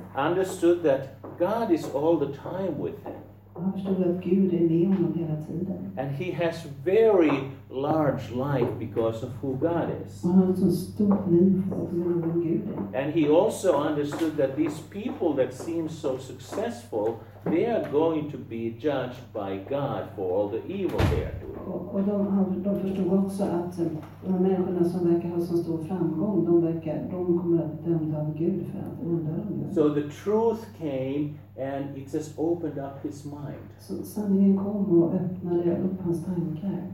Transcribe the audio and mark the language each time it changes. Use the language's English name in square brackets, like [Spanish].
[English] Understood that God is all the time with him. [Swedish] Han förstod att Gud är med honom hela tiden. [English] And he has very large life because of who God is. [Swedish] Han har så stort liv för att han är med Gud. [English] And he also understood that these people that seem so successful, they are going to be judged by God for all the evil they are doing. [Swedish] Och de förstod också att de här människorna som verkar ha så stor framgång, de kommer att dömda av Gud för allt onda. [English] So the truth came. And it just opened up his mind. [Swedish] Så sanningen kom och öppnade upp hans tankar.